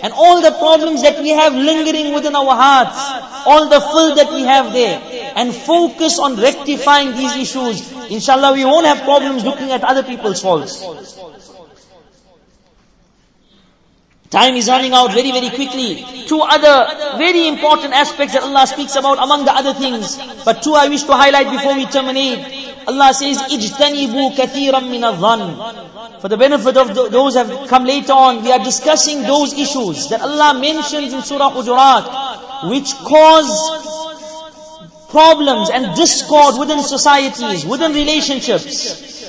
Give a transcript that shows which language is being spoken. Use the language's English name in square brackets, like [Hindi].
[English] And all the problems that we have lingering within our hearts, all the filth that we have there, and focus on rectifying these issues. Inshallah, we won't have problems looking at other people's faults. Time is running out very, very quickly. Two other very important aspects that Allah speaks about among the other things. But two I wish to highlight before we terminate. Allah says, [Arabic] اجتنبوا كثيرا من الظن. [English] For the benefit of those who have come later on, we are discussing those issues that Allah mentions in Surah Hujurat, which cause problems and discord within societies, within relationships.